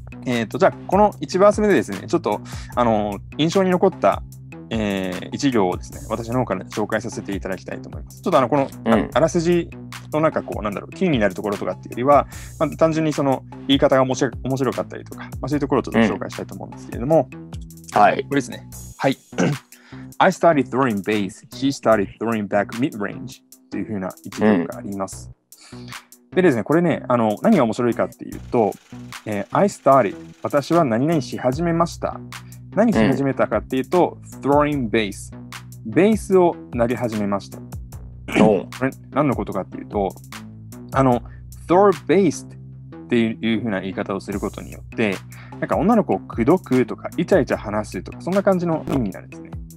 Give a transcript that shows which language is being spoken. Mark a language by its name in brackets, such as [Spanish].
[Japanese] じゃあ、この1バース目でですね、ちょっと、印象に残った、1行をですね、私の方から紹介させていただきたいと思います。ちょっとこの、あらすじのなんかこう、なんだろう、キーになるところとかっていうよりは、まあ、単純にその、言い方が面白かったりとか、まあ、そういうところをちょっと紹介したいと思うんですけれども、はい。これですね。はい。 [English] I started throwing bass, she started throwing back mid-range [Japanese] というふうな一文があります。でですね、これね、何が面白いかっていうと、 [English] I started, [Japanese] 私は何々し始めました。何し始めたかっていうと、throwing bass。ベースを投げ始めました。これ何のことかっていうと、throw bass っていうふうな言い方をすることによって、なんか女の子をくどくとか、イチャイチャ話すとか、そんな感じの意味になるんですね。